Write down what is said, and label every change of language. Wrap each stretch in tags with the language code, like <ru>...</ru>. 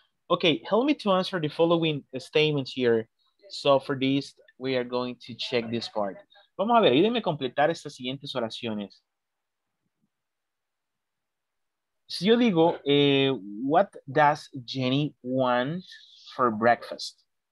<en>Okay, help me to answer the following statements here. So for this, we are going to check this part.</en> <es>Vamos a ver, ayúdenme a completar estas siguientes oraciones. Si yo digo,</es> <en>what does Jenny want for breakfast?</en>